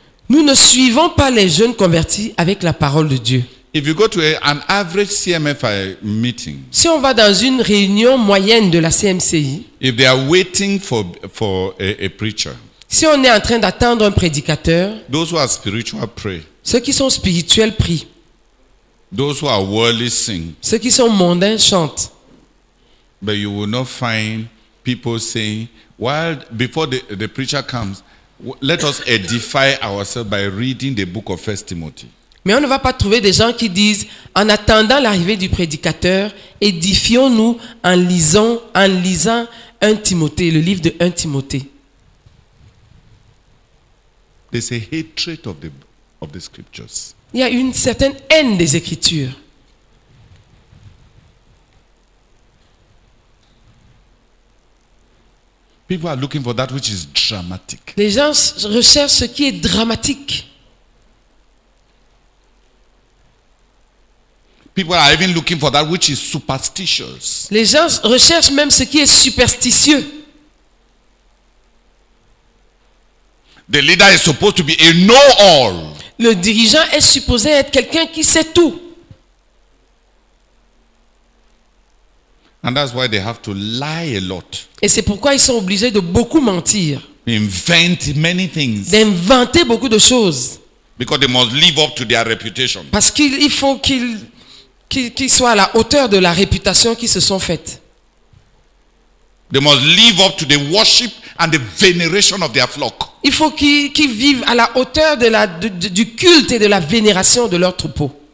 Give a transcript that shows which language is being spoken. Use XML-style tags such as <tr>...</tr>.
<fr>Nous ne suivons pas les jeunes convertis avec la parole de Dieu.</fr> <en>If you go to an average CMFI meeting,</en> <fr>si on va dans une réunion moyenne de la CMCI,</fr> <en>if they are waiting for a preacher,</en> <fr>si on est en train d'attendre un prédicateur,</fr> <en>those who are spiritual pray,</en> <fr>ceux qui sont spirituels prient,</fr> <en>those who are worldly sing,</en> <fr>ceux qui sont mondains chantent.</fr> <en>But you will not find people saying, while before the preacher comes, let us edify ourselves by reading the book of 1 Timothy.</en> <fr>Mais on ne va pas trouver des gens qui disent, en attendant l'arrivée du prédicateur, édifions-nous en lisant 1 Timothée, le livre de 1 Timothée.</fr> <en>There's a hatred of the scriptures.</en> <fr>Il y a une certaine haine des Écritures.</fr> <en>People are looking for that which is dramatic.</en> <fr>Les gens recherchent ce qui est dramatique.</fr> <en>People are even looking for that which is superstitious.</en> <fr>Les gens recherchent même ce qui est superstitieux.</fr> <en>The leader is supposed to be a know-all.</en> <fr>Le dirigeant est supposé être quelqu'un qui sait tout.</fr> <en>And that's why they have to lie a lot.</en> <fr>Et c'est pourquoi ils sont obligés de beaucoup mentir.</fr> <en>Invent many things.</en> <fr>D'inventer beaucoup de choses.</fr> <en>Because they must live up to their reputation.</en> <fr>Parce qu'il faut qu'ils soient à la hauteur de la réputation qu'ils se sont faite.</fr> <en>They must live up to the worship and the veneration of their flock.</en> <fr>Il faut qu'ils vivent à la hauteur du culte et de la vénération de leur troupeau.</fr>